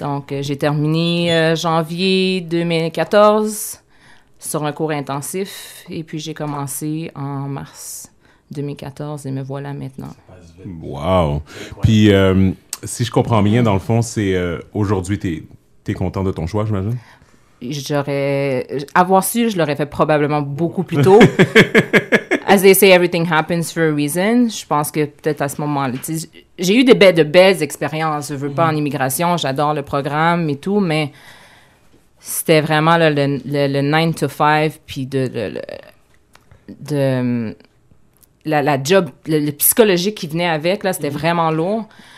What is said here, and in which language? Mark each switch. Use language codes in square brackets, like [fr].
[fr] Donc, j'ai terminé janvier 2014 sur un cours intensif et puis j'ai commencé en mars 2014 et me voilà maintenant. Wow! Puis, si je comprends bien, dans le fond, c'est aujourd'hui, t'es content de ton choix, j'imagine? Je l'aurais fait probablement beaucoup plus tôt. [en] As they say, everything happens for a reason. [fr] Je pense que peut-être à ce moment-là, j'ai eu de belles expériences. Je veux pas en immigration. J'adore le programme et tout, mais c'était vraiment le 9 to 5 puis le psychologique qui venait avec là, c'était vraiment lourd.